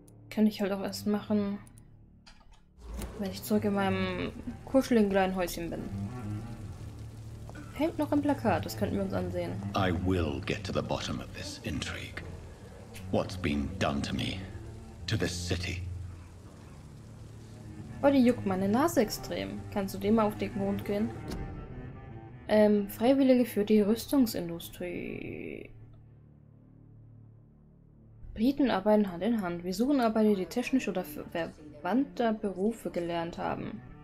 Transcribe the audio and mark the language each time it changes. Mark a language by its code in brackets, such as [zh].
[de] Kann ich halt auch erst machen, wenn ich zurück in meinem kuscheligen kleinen Häuschen bin. Hängt noch ein Plakat, das könnten wir uns ansehen. [en] I will get to the bottom of this intrigue. What's been done to me, to this city? [de] Oh, die juckt meine Nase extrem. Kannst du dem mal auf den Mond gehen? Freiwillige für die Rüstungsindustrie. Briten arbeiten Hand in Hand. Wir suchen Arbeiter, die technisch oder verwandter Berufe gelernt haben.